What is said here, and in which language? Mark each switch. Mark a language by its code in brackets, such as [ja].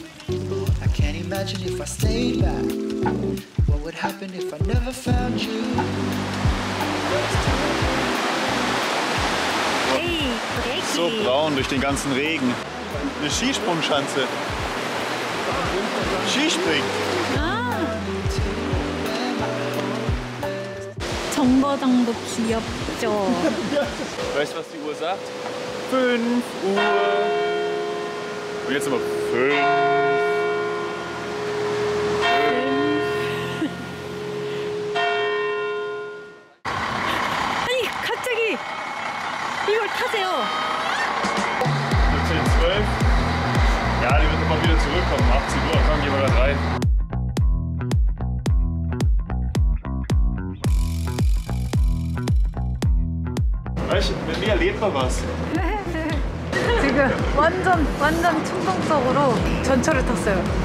[en] I can't imagine if I stayed back. What would happen if I never found you? Hey, [de] so braun durch den ganzen Regen. Eine Skisprungschanze. Skispring. Ah. [ko] 정거장도 귀엽죠. [de] Weißt du, was die Uhr sagt? 5 Uhr. Und jetzt immer 5. [ko] 아니, 갑자기 이걸 타세요. [de] 10, 12. Ja, die wird immer wieder zurückkommen. 18 Uhr, komm, gehen wir gerade rein. Weißt du, mit mir erlebt man was. [ko] 지금 완전 완전 충동적으로 전철을 탔어요.